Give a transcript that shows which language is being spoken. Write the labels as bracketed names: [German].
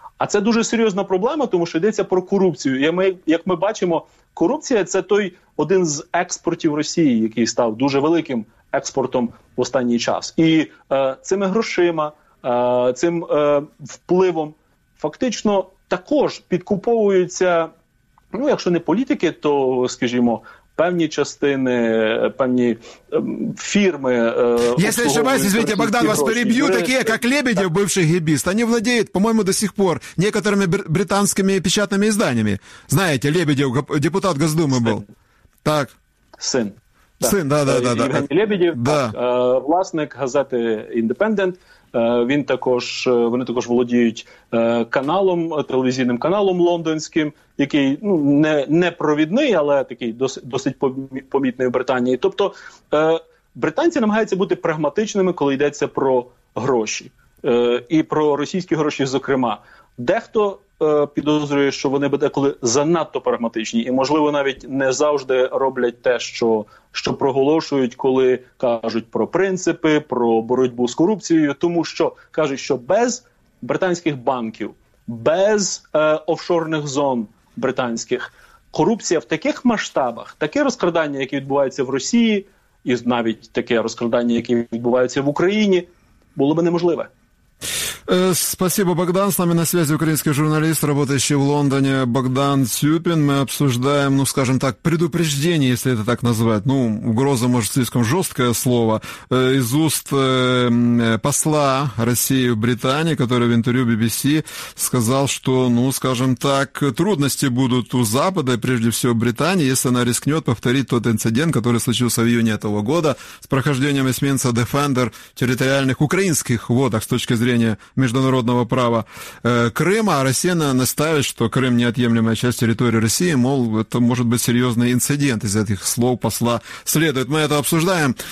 [Ukrainian] А це дуже серйозна проблема, тому що йдеться про корупцію. Як ми бачимо, корупція – це той один з експортів Росії, який став дуже великим експортом в останній час. І цими грошима, цим впливом фактично також підкуповуються, ну, якщо не політики, то, скажімо, певні частини, певні фірми. [Russian] Если ошибаюсь, извините, Богдан, вас перебью, такие, как Лебедев, бывший гибист, они владеют, по-моему, до сих пор некоторыми британскими печатными изданиями. Знаете, Лебедев, депутат Госдумы был. Так. Сын. Да. Син, да. [Ukrainian] Євгеній Лебедєв, [Russian] да. [Ukrainian] Власник газети «Індепендент». Він також, вони також володіють каналом, телевізійним каналом лондонським, який, ну, не провідний, але такий досить помітний в Британії. Тобто британці намагаються бути прагматичними, коли йдеться про гроші. І про російські гроші, зокрема. Дехто підозрює, що вони деколи занадто прагматичні, і, можливо, навіть не завжди роблять те, що проголошують, коли кажуть про принципи, про боротьбу з корупцією, тому що кажуть, що без британських банків, без офшорних зон британських, корупція в таких масштабах, таке розкрадання, яке відбувається в Росії, і навіть таке розкрадання, яке відбувається в Україні, було б неможливе. [Russian] Спасибо, Богдан. С нами на связи украинский журналист, работающий в Лондоне, Богдан Цюпин. Мы обсуждаем, ну, скажем так, предупреждение, если это так назвать. Ну, угроза, может, слишком жесткое слово. Из уст посла России в Британии, который в интервью BBC сказал, что, ну, скажем так, трудности будут у Запада, прежде всего Британии, если она рискнет повторить тот инцидент, который случился в июне этого года с прохождением эсминца Defender в территориальных украинских водах с точки зрения международного права Крыма, а Россия настаивает, что Крым неотъемлемая часть территории России, мол, это может быть серьезный инцидент, из этих слов посла следует. Мы это обсуждаем.